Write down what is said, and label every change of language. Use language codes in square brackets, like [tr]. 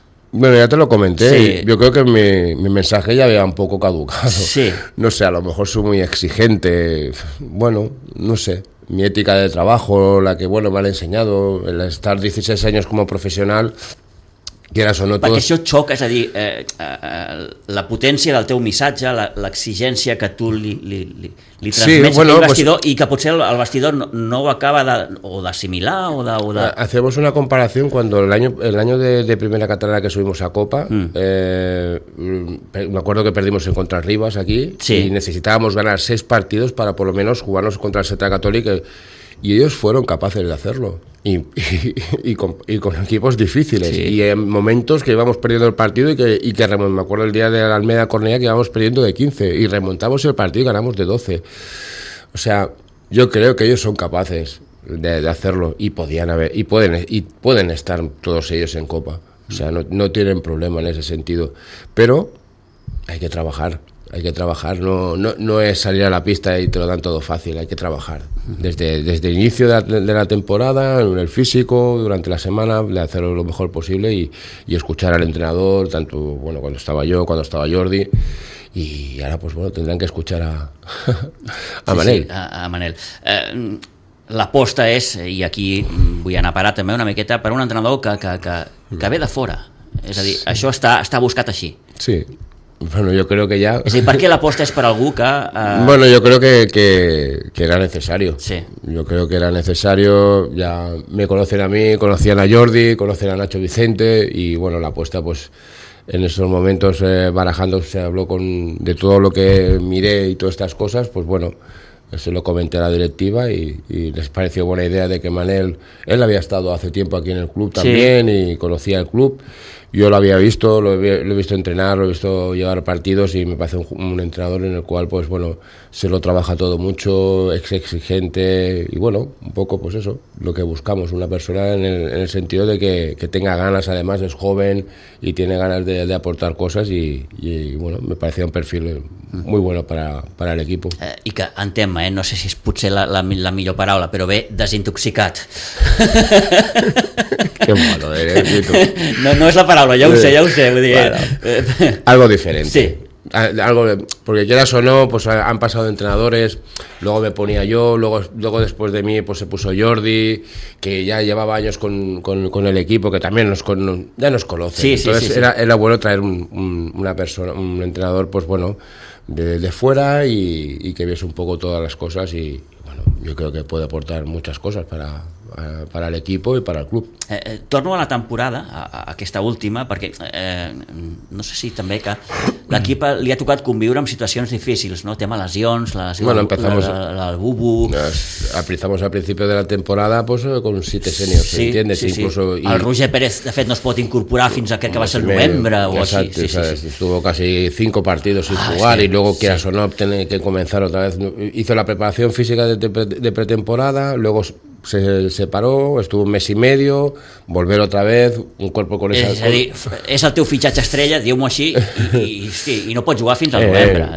[es] Bueno, ya te lo comenté. Sí. Yo creo que mi mensaje ya había un poco caducado. Sí. No sé, a lo mejor soy muy exigente. Bueno, no sé. Mi ética de trabajo, la que, bueno, me han enseñado, el estar 16 años como profesional, quieras o no... [ca] Perquè això xoca, és a dir, la potència del teu missatge, l'exigència que tu li transmets [es] sí, bueno, [ca] al vestidor pues, i que potser el vestidor no ho acaba d'assimilar o de... [es] Hacemos una comparación cuando el año de Primera Catalana que subimos a Copa, me acuerdo que perdimos en contra Rivas aquí sí. Y necesitábamos ganar 6 partidos para por lo menos jugarnos contra el Setra Catòlic Y ellos fueron capaces de hacerlo. Y con equipos difíciles. Sí. Y en momentos que íbamos perdiendo el partido y que remontamos. Me acuerdo el día de la Almeida Cornellá que íbamos perdiendo de 15. Y remontamos el partido y ganamos de 12. O sea, yo creo que ellos son capaces de hacerlo. Y podían haber, y pueden estar todos ellos en Copa. O sea, no tienen problema en ese sentido. Pero hay que trabajar. No es salir a la pista y te lo dan todo fácil. Hay que trabajar. Desde el inicio de la temporada, en el físico, durante la semana, de hacerlo lo mejor posible y escuchar al entrenador, tanto bueno cuando estaba yo, cuando estaba Jordi. Y ahora, pues bueno, tendrán que escuchar a Manel. Sí, a Manel. [ca] L'aposta és, i aquí vull anar a parar també una miqueta, per un entrenador que ve de fora. És a dir, sí. Això està buscat així. [es] Sí. Bueno, yo creo que ya... [ca] És a dir, per què l'aposta és per algú que... [es] Bueno, yo creo que era necesario. Sí. Yo creo que era necesario, ya me conocen a mí, conocían a Jordi, conocen a Nacho Vicente, y bueno, la apuesta pues en esos momentos barajando se habló con de todo lo que miré y todas estas cosas, pues bueno... Se lo comenté a la directiva y les pareció buena idea de que Manel... Él había estado hace tiempo aquí en el club también, sí. Y conocía el club. Yo lo había visto, lo he visto entrenar, lo he visto llevar partidos y me parece un entrenador en el cual, pues bueno, se lo trabaja todo mucho, es exigente y bueno, un poco pues eso, lo que buscamos. Una persona en el sentido de que tenga ganas, además es joven y tiene ganas de aportar cosas y bueno, me parecía un perfil muy bueno para el equipo. [ca] I que entenc, no sé si és potser la millor paraula, però bé, desintoxicat. [es] Qué malo eres, Vito. [ca] No es la paraula, ja ho sé, vull dir. Bueno, [es] algo diferente. Sí. Algo, porque quieras o no, pues han pasado entrenadores, luego me ponía yo, luego después de mí pues se puso Jordi, que ya llevaba años con el equipo, que también ya nos conoce. Sí, entonces sí. Era bueno traer una persona, un entrenador, pues bueno, de fuera y que viese un poco todas las cosas y bueno, yo creo que puede aportar muchas cosas para el equipo y para el club. [ca] Torno a la temporada, a aquesta última, perquè no sé si també que l'equip li ha tocat conviure amb situacions difícils, no? Tema lesions, el Bubu... [es] Al principio de la temporada, pues, con 7 sèniors, sí, ¿entiendes? Sí, incluso, sí. [ca] El Roger Pérez, de fet, no es pot incorporar fins a aquest que va ser el novembre o exacte, així. Exacte, sí. [es] Estuvo casi 5 partidos sin jugar sí, y luego, quieras sí. o no, tiene que comenzar otra vez. Hizo la preparación física de pretemporada, luego... Se separó, estuvo un mes y medio, volver otra vez, un cuerpo con esa... [ca] És a dir, és el teu fitxatge estrella, diu-m'ho així, i no pots jugar fins al novembre.